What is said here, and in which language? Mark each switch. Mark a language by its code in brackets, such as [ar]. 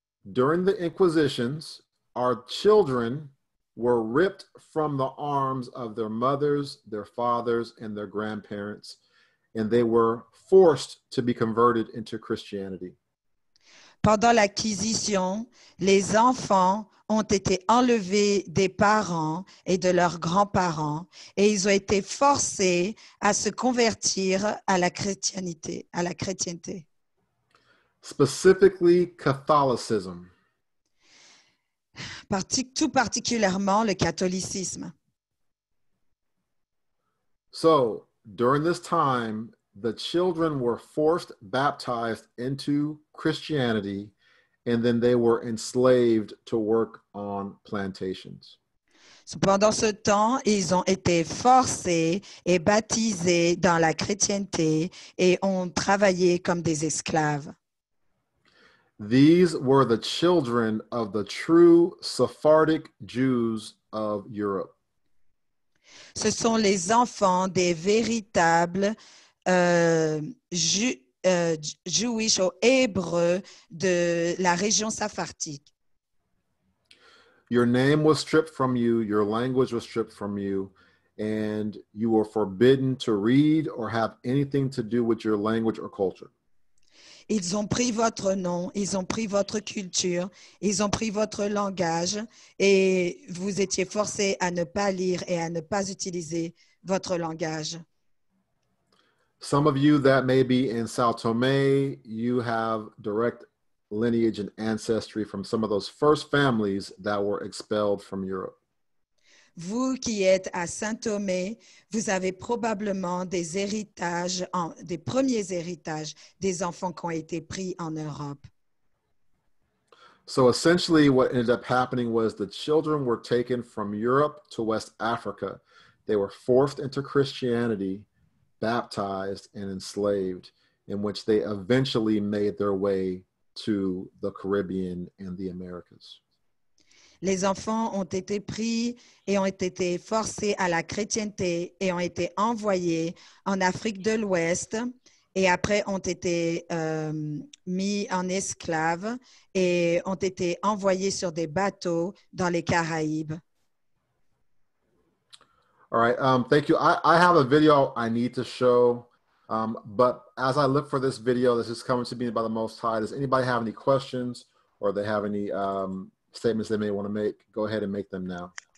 [en] During the inquisitions, our children were ripped from the arms of their mothers, their fathers, and their grandparents, and they were forced to be converted into Christianity. [fr] Pendant l'acquisition, les enfants ont été enlevés des parents et de leurs grands-parents et ils ont été forcés à se convertir à la chrétienté. [en] Specifically, Catholicism. [fr] Tout particulièrement le catholicisme. [en] So, during this time, the children were forced baptized into Christianity and then they were enslaved to work on plantations. [fr] Pendant ce temps, ils ont été forcés et baptisés dans la chrétienté et ont travaillé comme des esclaves. [en] These were the children of the true Sephardic Jews of Europe. [fr] Ce sont les enfants des véritables Jewish ou Hébreux de la région Sephardique. [en] Your name was stripped from you, your language was stripped from you, and you were forbidden to read or have anything to do with your language or culture. [fr] Ils ont pris votre nom, ils ont pris votre culture, ils ont pris votre langage et vous étiez forcé à ne pas lire et à ne pas utiliser votre langage. [en] Some of you that may be in Sao Tome, you have direct lineage and ancestry from some of those first families that were expelled from Europe. [fr] Vous qui êtes à Saint-Thomé, vous avez probablement des premiers héritages des enfants qui ont été pris en Europe. [en] So essentially what ended up happening was the children were taken from Europe to West Africa. They were forced into Christianity, baptized and enslaved, in which they eventually made their way to the Caribbean and the Americas. [fr] Les enfants ont été pris et ont été forcés à la chrétienté et ont été envoyés en Afrique de l'Ouest et après ont été mis en esclave et ont été envoyés sur des bateaux dans les Caraïbes. [en] All right, thank you. I have a video I need to show, but as I look for this video, this is coming to me by the Most High. Does anybody have any questions or they have any statements they may want to make, go ahead and make them now.